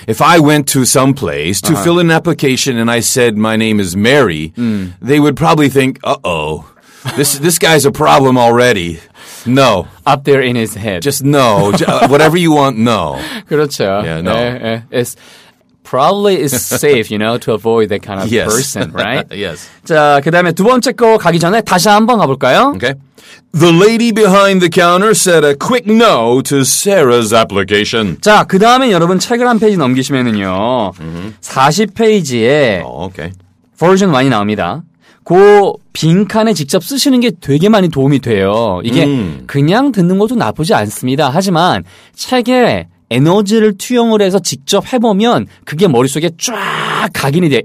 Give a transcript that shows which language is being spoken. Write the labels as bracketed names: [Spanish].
[English] If I went to some place to fill an application and I said my name is Mary, they would probably think, uh-oh, this guy's a problem already. No. Up there in his head. Just no. Whatever you want, no. [Korean] 그렇죠. [English] Yeah, no. It's probably is safe, you know, to avoid that kind of yes. person, right? yes. [Korean] 자, 그다음에 두 번째 거 가기 전에 다시 한번 가볼까요? [English] Okay. The lady behind the counter said a quick no to Sarah's application. [Korean] 자, 그다음에 여러분 책을 한 페이지 넘기시면은요. Mm-hmm. 40페이지에 버전 많이 나옵니다. 그 빈칸에 직접 쓰시는 게 되게 많이 도움이 돼요. 이게 그냥 듣는 것도 나쁘지 않습니다. 하지만 책에 에너지를 투영을 해서 직접 해보면 그게 머릿속에 쫙 각인이 돼요.